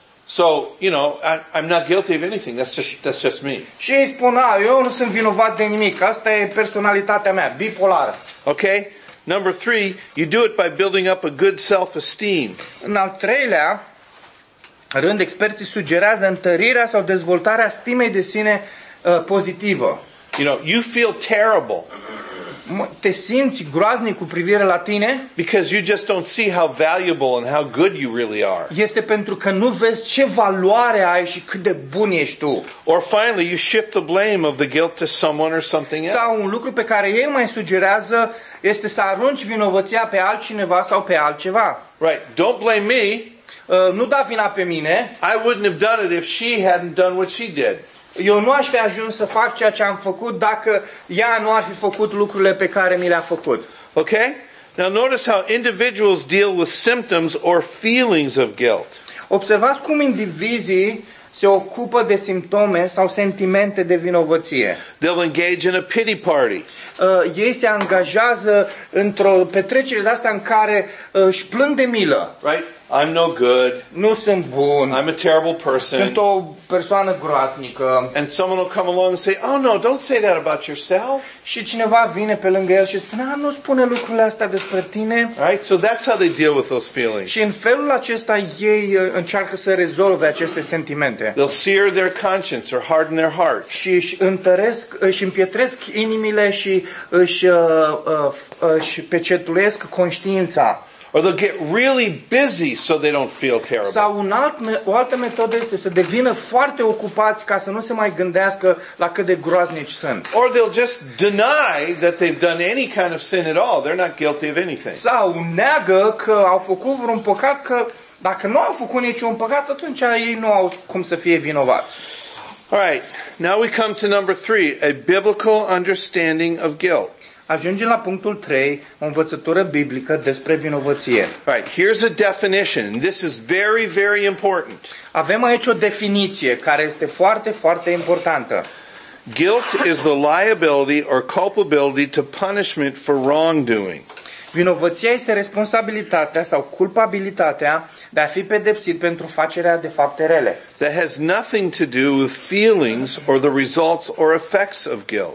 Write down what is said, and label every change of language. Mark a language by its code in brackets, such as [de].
[en] So, you know, I'm not guilty of anything. That's just me. [ro] Și ei spun, eu nu sunt vinovat de nimic. Asta e personalitatea mea, bipolară. [en] Okay? Number three, you do it by building up a good self-esteem. [ro] În al treilea rând, experții sugerează întărirea sau dezvoltarea stimei de sine pozitivă. [en] You know, you feel terrible. [ro] te simți groaznic cu privire la tine? [en] Because you just don't see how valuable and how good you really are. [ro] Este pentru că nu vezi ce valoare ai și cât de bun ești tu. [en] Or finally you shift the blame of the guilt to someone or something else. [ro] Sau un lucru pe care ei mai sugerează este să arunci vinovăția pe altcineva sau pe altceva. [en] Right, don't blame me. [ro] Nu da vina pe mine. [en] I wouldn't have done it if she hadn't done what she did. [ro] Eu nu aș fi ajuns să fac ceea ce am făcut dacă ea nu ar fi făcut lucrurile pe care mi le-a făcut. [en] Okay? Now notice how individuals deal with symptoms or feelings of guilt. [ro] Observați cum indivizii se ocupă de simptome sau sentimente de vinovăție. [en] They'll engage in a pity party. [ro] Ei se angajează într-o petrecere de astea în care își plâng de milă. [en] Right? I'm no good. [ro] Nu sunt bun. [en] I'm a terrible person. [ro] Sunt o persoană groaznică. [en] And someone will come along and say, "Oh no, don't say that about yourself." [ro] Și cineva vine pe lângă el și spune, "Nu spune lucrurile astea despre tine." [en] Right? So that's how they deal with those feelings. [ro] Și în felul acesta ei încearcă să rezolve aceste sentimente. [en] They'll sear their conscience or harden their heart. [ro] Și își întăresc, își împietresc inimile și își își pecetulesc conștiința. [en] Or they'll get really busy so they don't feel terrible. [ro] Sau o altă metodă este să devină foarte ocupați ca să nu se mai gândească la cât de groaznici sunt. [en] Or they'll just deny that they've done any kind of sin at all. They're not guilty of anything. [ro] Sau neagă că au făcut vreun păcat, că dacă nu au făcut niciun păcat, atunci ei nu au cum să fie vinovați. [en] All right. Now we come to number 3, a biblical understanding of guilt. [ro] Ajungem la punctul 3, o învățătură biblică despre vinovăție. [en] Right, here's a definition. This is very, very important. [ro] Avem aici o definiție care este foarte, foarte importantă. [en] Guilt is the liability or culpability to punishment for wrongdoing. [ro] Vinovăția este responsabilitatea sau culpabilitatea de a fi pedepsit pentru facerea de fapte rele. [en] That has nothing to do with feelings or the results or effects of guilt.